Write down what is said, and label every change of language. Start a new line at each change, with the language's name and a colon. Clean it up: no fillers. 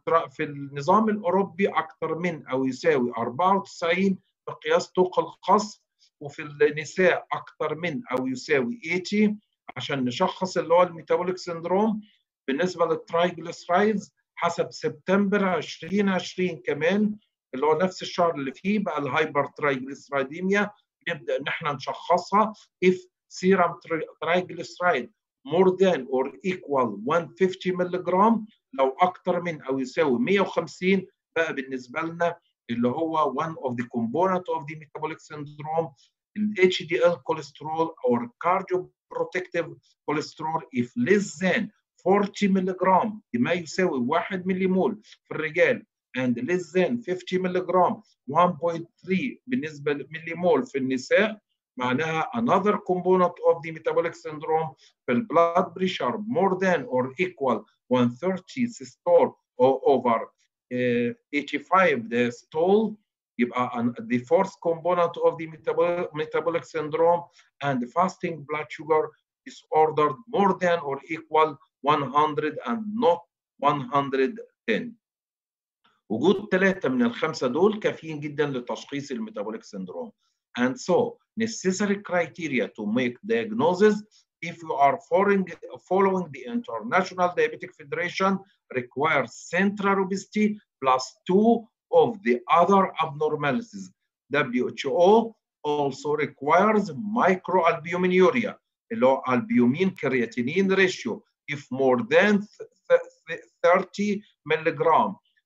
Arabic: في النظام الأوروبي أكتر من أو يساوي 94 بقياس طوق القصف، وفي النساء أكتر من أو يساوي 80 عشان نشخص اللي هو الميتابوليك سيندروم. بالنسبة للترايجليسرايدز حسب سبتمبر 2020 كمان اللي هو نفس الشهر اللي فيه بقى الهايبر ترايجليسرايديميا نبدأ نحن نشخصها.
English: if serum triglyceride more than or equal 150 milligram،
Arabic: لو أكتر من أو يساوي 150 بقى بالنسبة لنا اللي هو
English: one of the component of the metabolic syndrome. ال HDL cholesterol or cardioprotective cholesterol if less than 40 milligram
Arabic: ما يساوي 1 مليمول في الرجال
English: and less than 50 milligram
Arabic: 1.3 بالنسبة مليمول في النساء معناها
English: another component of the metabolic syndrome. في ال blood pressure more than or equal 130 systole or over 85 diastole يبقى the fourth component of the metabolic syndrome and the fasting blood sugar is ordered more than or equal 100 and not 110.
Arabic: وجود ثلاثة من الخمسة دول كافيين جدا لتشخيص الميتابوليك سيندروم.
English: And so necessary criteria to make diagnosis if you are following the International Diabetic Federation requires central obesity plus two of the other abnormalities. WHO also requires microalbuminuria, low albumin creatinine ratio, if more than 30 milligram.